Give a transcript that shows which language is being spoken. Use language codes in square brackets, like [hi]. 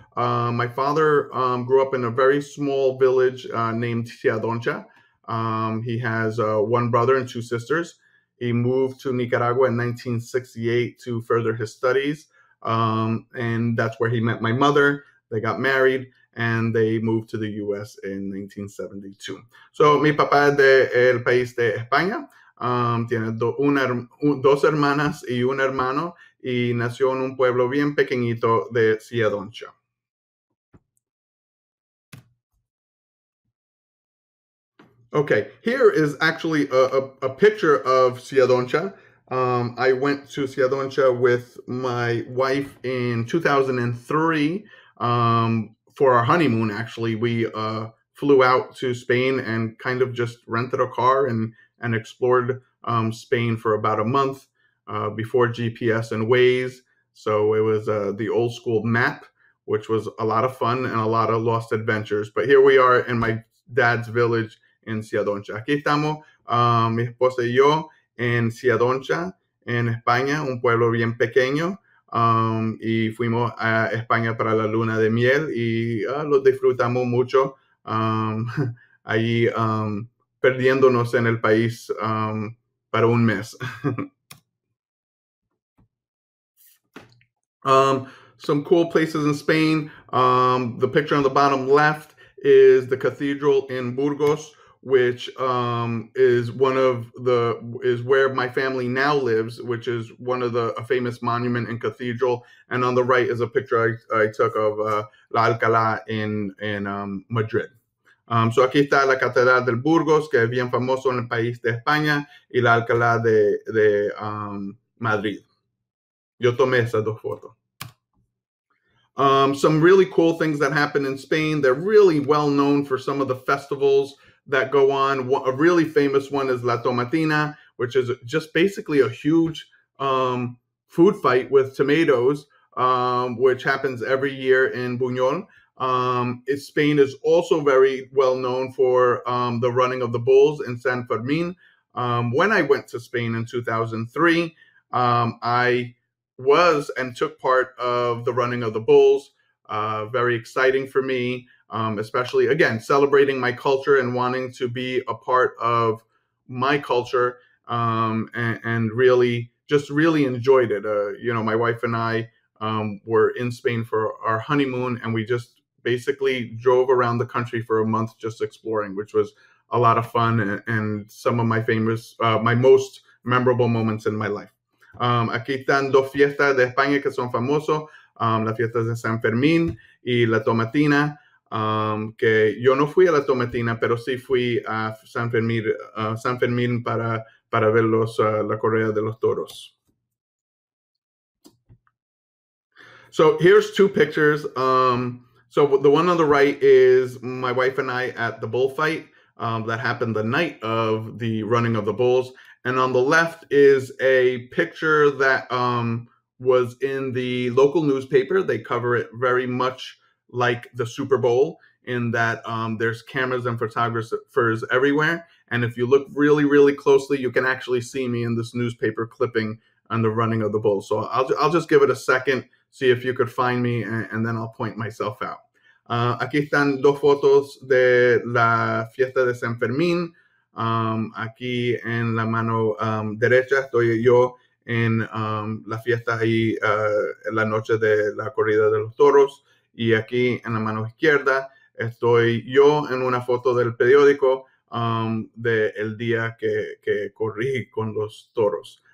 [en] My father grew up in a very small village named Tia Doncha. He has one brother and two sisters. He moved to Nicaragua in 1968 to further his studies. And that's where he met my mother. They got married and they moved to the U.S. in 1972. [es] So mi papá es del país de España. Tiene dos hermanas y un hermano. Y nació en un pueblo bien pequeñito de Tia Doncha. [en] Okay, here is actually a picture of Tia Doncha. I went to Tia Doncha with my wife in 2003 for our honeymoon, actually. We flew out to Spain and kind of just rented a car and explored Spain for about a month before GPS and Waze. So it was the old school map, which was a lot of fun and a lot of lost adventures. But here we are in my dad's village en Tia Doncha. [es] Aquí estamos mi esposa y yo en Tia Doncha, en España, un pueblo bien pequeño, y fuimos a España para la luna de miel y lo disfrutamos mucho allí perdiéndonos en el país para un mes. [en] Some cool places in Spain. The picture on the bottom left is the cathedral in Burgos, which is where my family now lives, which is one of a famous monument and cathedral. And on the right is a picture I took of La Alcalá in Madrid. [es] So aquí está la Catedral del Burgos, que es bien famoso en el país de España, y La Alcalá de Madrid. Yo tomé esas dos fotos. [en] Some really cool things that happen in Spain. They're really well known for some of the festivals that go on. A really famous one is La Tomatina, which is just basically a huge food fight with tomatoes, which happens every year in Buñol. Spain is also very well known for the running of the bulls in San Fermín. When I went to Spain in 2003, I was and took part of the running of the bulls. Very exciting for me. Especially, again, celebrating my culture and wanting to be a part of my culture and really just really enjoyed it. You know, my wife and I were in Spain for our honeymoon and we just basically drove around the country for a month just exploring, which was a lot of fun and some of my famous, my most memorable moments in my life. [es] Aquí están dos fiestas de España que son famosos, las fiestas de San Fermín y La Tomatina. Que yo no fui a La Tomatina, pero sí fui a San Fermín para ver la Correa de los Toros. [en] So here's two pictures. So the one on the right is my wife and I at the bullfight that happened the night of the running of the bulls. And on the left is a picture that was in the local newspaper. They cover it very much like the Super Bowl, in that there's cameras and photographers everywhere. And if you look really, really closely, you can actually see me in this newspaper clipping on the running of the bulls. So I'll just give it a second, see if you could find me, and then I'll point myself out. [es] Aquí están dos fotos de la fiesta de San Fermín. Aquí en la mano derecha estoy yo en la fiesta ahí, la noche de la Corrida de los Toros. Y aquí en la mano izquierda estoy yo en una foto del periódico de el día que corrí con los toros.